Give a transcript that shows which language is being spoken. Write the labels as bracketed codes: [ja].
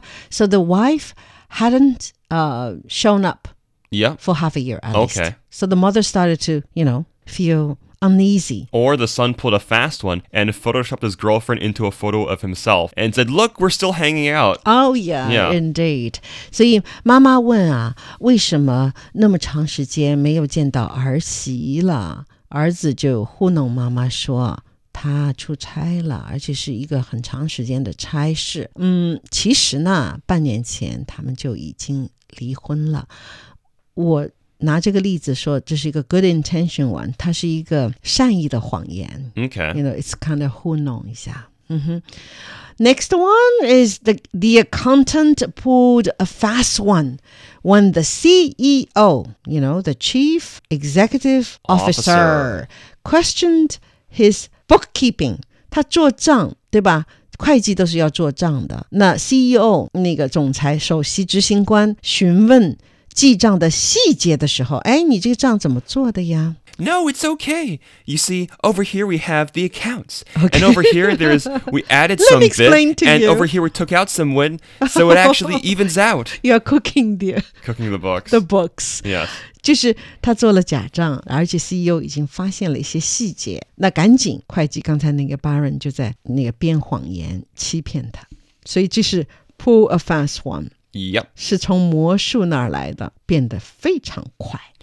[en] So the wife hadn't shown up for half a year at least. Okay. So the mother started to, you know, feel uneasy. Or the son pulled a fast one and photoshopped his girlfriend into a photo of himself and said, look, we're still hanging out. Oh, yeah, yeah. Indeed. [zh] So, 妈妈问啊，为什么那么长时间没有见到儿媳了？儿子就糊弄妈妈说他出差了，而且是一个很长时间的差事。嗯，其实呢，半年前他们就已经离婚了。我拿这个例子说这是一个 [en] good intention one, [zh] 它是一个善意的谎言。 Okay. [en] You know, it's kind of [zh] 糊弄一下。 [en] Mm-hmm. Next one is the accountant pulled a fast one when the CEO, you know, the chief executive officer questioned his bookkeeping. [zh] 他做账，对吧？会计都是要做账的。那 CEO, 那个总裁首席执行官询问记账的细节的时候，哎，你这个账怎么做的呀？ [en] No, it's okay. You see, over here we have the accounts. Okay. And over here, we added some bit. Let me explain to you. And over here, we took out some win. So it actually evens out. You're cooking the... Cooking the books. The books. Yes. [zh] 就是他做了假账，而且 CEO 已经发现了一些细节。那赶紧，会计刚才那个 Baron 就在那个编谎言欺骗他。所以这是 [en] pull a fast one. Yep. [zh] 是从魔术那儿来的，变得非常快。